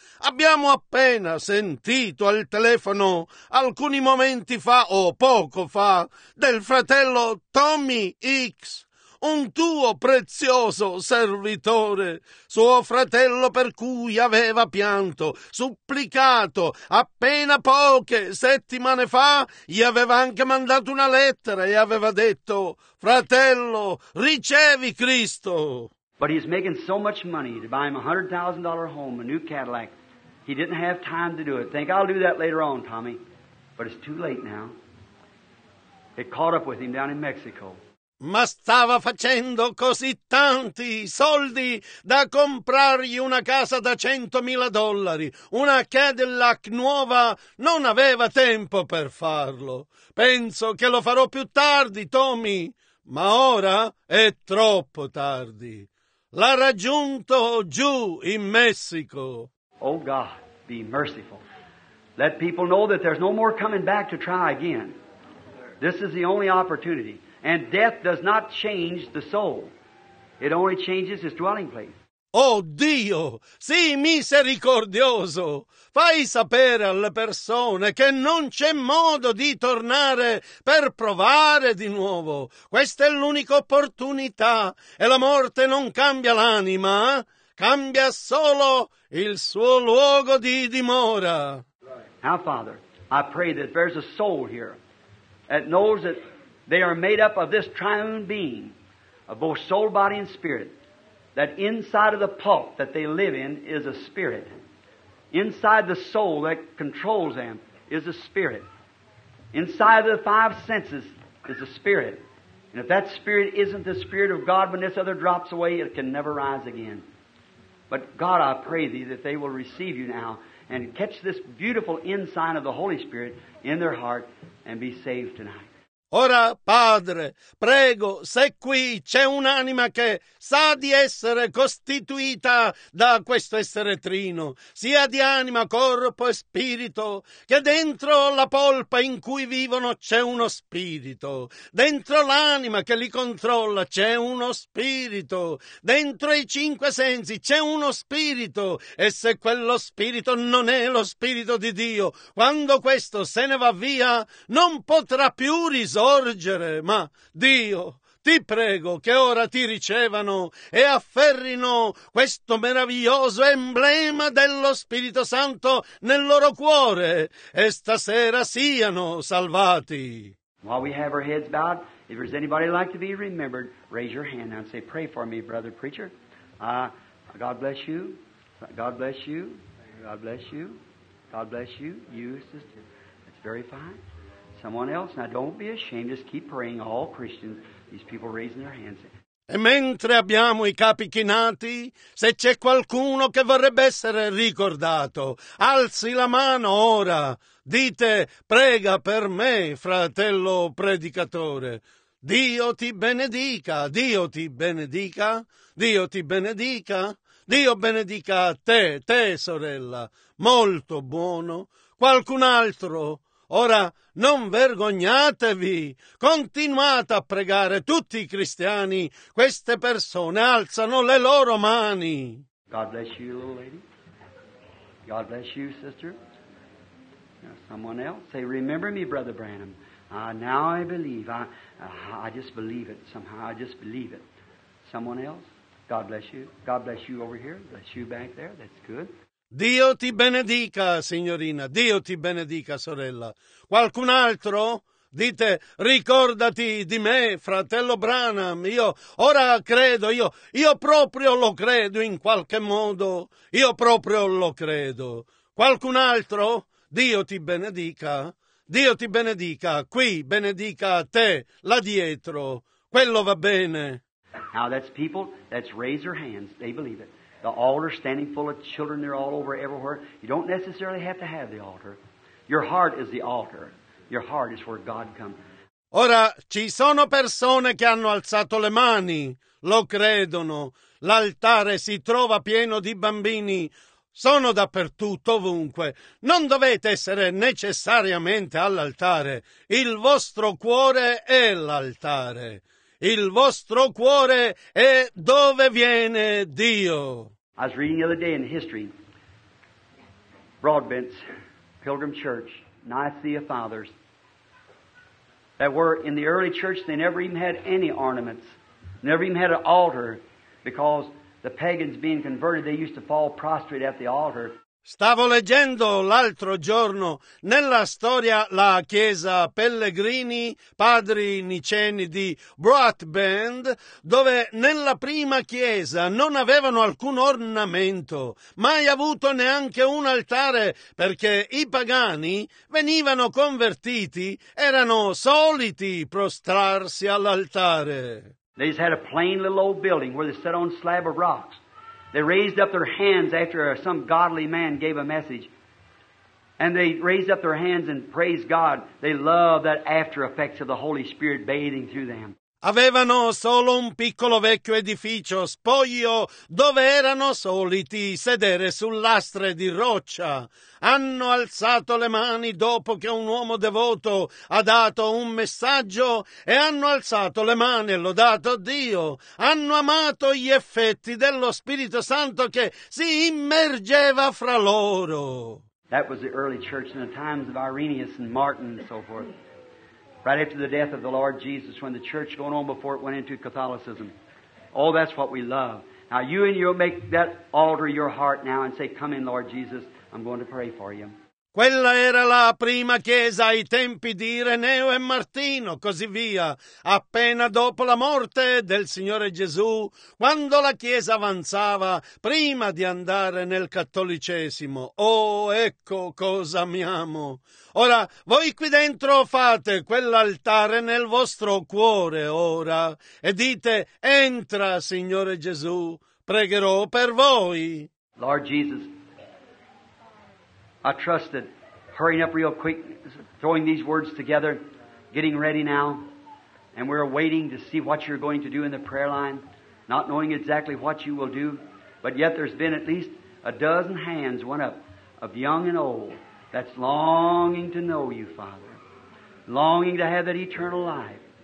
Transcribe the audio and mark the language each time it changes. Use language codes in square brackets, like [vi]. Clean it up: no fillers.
[it] Abbiamo appena sentito al telefono alcuni momenti fa o poco fa del fratello Tommy Hicks, un tuo prezioso servitore, suo fratello per cui aveva pianto, supplicato, appena poche settimane fa gli aveva anche mandato una lettera e aveva detto, fratello, ricevi Cristo. [en] But he's making so much money to buy him a $100,000 home, a new Cadillac, he didn't have time to do it. Think I'll do that later on, Tommy, but it's too late now. It caught up with him down in Mexico. [it] Ma stava facendo così tanti soldi da comprargli una casa da $100,000, una Cadillac nuova, non aveva tempo per farlo. Penso che lo farò più tardi, Tommy, ma ora è troppo tardi. L'ha raggiunto giù in Messico. [en] Oh God, be merciful. Let people know that there's no more coming back to try again. This is the only opportunity. And death does not change the soul. It only changes its dwelling place. [it] Oh Dio, sii misericordioso. Fai sapere alle persone che non c'è modo di tornare per provare di nuovo. Questa è l'unica opportunità e la morte non cambia l'anima, cambia solo il suo luogo di dimora. [en] Now, Father, I pray that there's a soul here that knows that they are made up of this triune being, of both soul, body, and spirit, that inside of the pulp that they live in is a spirit. Inside the soul that controls them is a spirit. Inside of the five senses is a spirit. And if that spirit isn't the spirit of God, when this other drops away, it can never rise again. But God, I pray thee that they will receive you now and catch this beautiful ensign of the Holy Spirit in their heart and be saved tonight. [it] Ora, Padre, prego, se qui c'è un'anima che sa di essere costituita da questo essere trino, sia di anima, corpo e spirito, che dentro la polpa in cui vivono c'è uno spirito, dentro l'anima che li controlla c'è uno spirito, dentro i cinque sensi c'è uno spirito, e se quello spirito non è lo spirito di Dio, quando questo se ne va via, non potrà più risolvere. Sorgere, ma Dio, ti prego che ora ti ricevano e afferrino questo meraviglioso emblema dello Spirito Santo nel loro cuore e stasera siano salvati. [en] While we have our heads bowed, if there's anybody like to be remembered, raise your hand and say, pray for me, brother preacher. God bless you. God bless you. God bless you. God bless you. You, sister. That's very fine. Someone else. Now don't be ashamed, just keep praying, all Christians, these people raising their hands. [it] E mentre abbiamo i capi chinati, se c'è qualcuno che vorrebbe essere ricordato, alzi la mano ora, dite, prega per me, fratello predicatore. Dio ti benedica, Dio ti benedica, Dio ti benedica, Dio benedica te, te sorella, molto buono. Qualcun altro? Ora, non vergognatevi, continuate a pregare tutti i cristiani, queste persone alzano le loro mani. [en] God bless you, little lady. God bless you, sister. Now, someone else, say, remember me, brother Branham. Now I believe, I just believe it somehow, I just believe it. Someone else, God bless you. God bless you over here, bless you back there, that's good. [it] Dio ti benedica, signorina. Dio ti benedica, sorella. Qualcun altro? Dite, ricordati di me, fratello Branham. Io ora credo, io proprio lo credo in qualche modo. Io proprio lo credo. Qualcun altro? Dio ti benedica. Dio ti benedica. Qui benedica te, là dietro. Quello va bene. [en] Now that's people, that's raise your hands. They believe it. The altar standing full of children, they're all over everywhere. You don't necessarily have to have the altar. Your heart is the altar. Your heart is where God comes. [it] Ora, ci sono persone che hanno alzato le mani. Lo credono. L'altare si trova pieno di bambini. Sono dappertutto, ovunque. Non dovete essere necessariamente all'altare. Il vostro cuore è l'altare. Il vostro cuore è dove viene Dio. [en] I was reading the other day in history, Broadbent's Pilgrim Church, Nicaea Fathers, that were in the early church, they never even had any ornaments, never even had an altar, because the pagans being converted, they used to fall prostrate at the altar. [it] Stavo leggendo l'altro giorno nella storia la chiesa Pellegrini, padri niceni di Broadbent, dove nella prima chiesa non avevano alcun ornamento, mai avuto neanche un altare, perché i pagani venivano convertiti, erano soliti prostrarsi all'altare. [en] They just had a plain little old building where they sat on a slab of rocks. They raised up their hands after some godly man gave a message. And they raised up their hands and praised God. They loved that after effects of the Holy Spirit bathing through them. [it] avevano solo un piccolo vecchio edificio spoglio dove erano soliti sedere su lastre di roccia. Hanno alzato le mani dopo che un uomo devoto ha dato un messaggio e hanno alzato le mani e lodato Dio. Hanno amato gli effetti dello Spirito Santo che si immergeva fra loro. [en] That was the early church in the times of Irenaeus and Martin and so forth. Right after the death of the Lord Jesus, when the church going on before it went into Catholicism. Oh, that's what we love. Now you and you make that altar your heart now and say, come in Lord Jesus, I'm going to pray for you. [it] Quella era la prima chiesa ai tempi di Ireneo e Martino, così via, appena dopo la morte del Signore Gesù, quando la chiesa avanzava prima di andare nel cattolicesimo. Oh, ecco cosa amiamo! Ora, voi qui dentro fate quell'altare nel vostro cuore, ora, e dite, entra, Signore Gesù, pregherò per voi. [en] Lord Jesus, I trust that hurrying up real quick, throwing these words together, getting ready now, and we're waiting to see what you're going to do in the prayer line, not knowing exactly what you will do, but yet there's been at least a dozen hands went up of young and old that's longing to know you, Father, longing to have that eternal life.